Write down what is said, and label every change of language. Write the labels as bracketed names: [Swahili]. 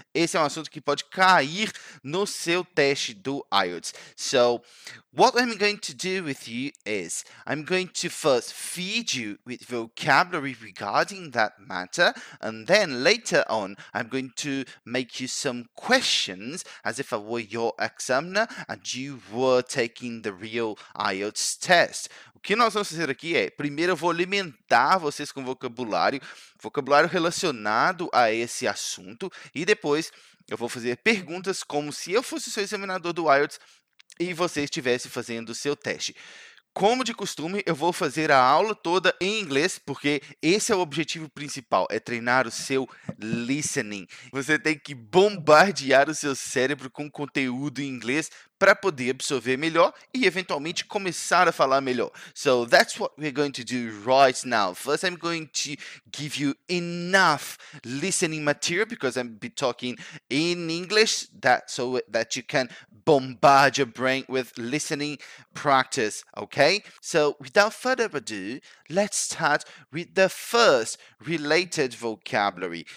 [Portuguese] Esse é assunto que pode cair no seu teste do IELTS. [English] So, what I'm going to do with you is, I'm going to first feed you with vocabulary regarding that matter, and then later on, I'm going to make you some questions as if I were your examiner and you were taking the real IELTS test. [Portuguese] O que nós vamos fazer aqui é, primeiro eu vou alimentar vocês com vocabulário relacionado a esse assunto, e depois eu vou fazer perguntas como se eu fosse o seu examinador do IELTS e você estivesse fazendo o seu teste. Como de costume, eu vou fazer a aula toda em inglês, porque esse é o objetivo principal, é treinar o seu listening. Você tem que bombardear o seu cérebro com conteúdo em inglês para poder absorver melhor e, eventualmente, começar a falar melhor. [English] So, that's what we're going to do right now. First, I'm going to give you enough listening material, because I'm be talking in English, so that you can bombard your brain with listening practice, okay? So, without further ado, let's start with the first related vocabulary.